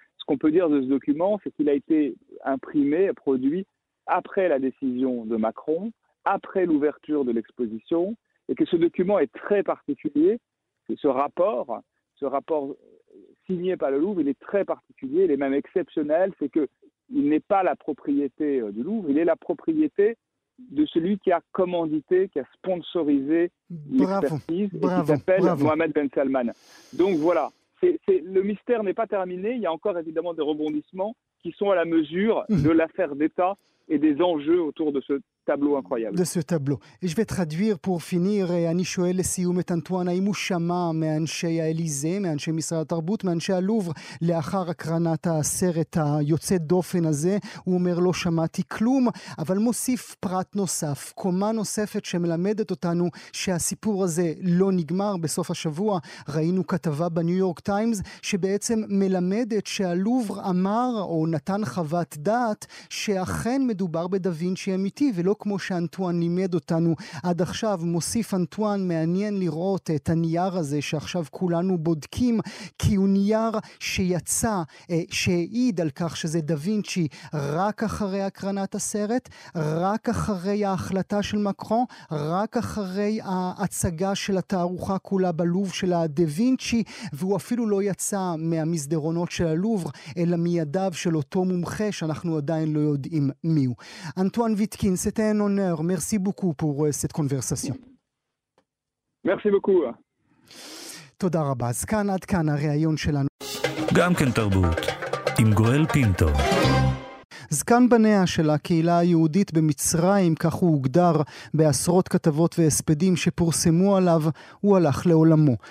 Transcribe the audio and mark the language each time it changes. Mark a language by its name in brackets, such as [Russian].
[French] Ce qu'on peut dire de ce document, c'est qu'il a été imprimé et produit après la décision de Macron, après l'ouverture de l'exposition, et que ce document est très particulier, c'est ce rapport signé par le Louvre, il est très particulier, il est même exceptionnel, c'est qu'il n'est pas la propriété du Louvre, il est la propriété de celui qui a commandité, qui a sponsorisé l'expertise, bravo, et qui s'appelle Mohamed Ben Salman. Donc voilà, c'est, le mystère n'est pas terminé, il y a encore évidemment des rebondissements qui sont à la mesure de l'affaire d'État et des enjeux autour de ce tableau incroyable. De ce tableau. Et je vais traduire pour finir. [Hebrew] אני שואל לסיום את אנטואן, האם הוא שמע מאנשי האליזה, מאנשי משרד התרבות, מאנשי הלובר, לאחר הקרנת הסרט היוצא דופן הזה, הוא אומר לא שמעתי כלום, אבל מוסיף פרט נוסף, קומה נוספת שמלמדת אותנו שהסיפור הזה לא נגמר. בסוף השבוע ראינו כתבה בניו יורק טיימס, שבעצם מלמדת שהלובר אמר או נתן חוות דעת, שאכן מדובר בדווינצ'י אמיתי, ולא כמו שאנטואן לימד אותנו עד עכשיו. מוסיף אנטואן, מעניין לראות את הנייר הזה שעכשיו כולנו בודקים, כי הוא נייר שיצא, שהעיד על כך שזה דווינצ'י, רק אחרי הקרנת הסרט, רק אחרי ההחלטה של מקרון, רק אחרי ההצגה של התערוכה כולה בלוב של הדווינצ'י, והוא אפילו לא יצא מהמסדרונות של הלובר, אלא מידיו של אותו מומחה שאנחנו עדיין לא יודעים מיהו. [French] אנטואן ויטקין, c'était un honneur. Merci beaucoup pour cette conversation. Merci beaucoup. [Hebrew] תודה רבה. אז כאן עד כאן הראיון שלנו. גם כן תרבות עם גואל פינטו. זקן בניה של הקהילה היהודית במצרים, כך הוא הוגדר בעשרות כתבות והספדים שפורסמו עליו, הוא הלך לעולמו.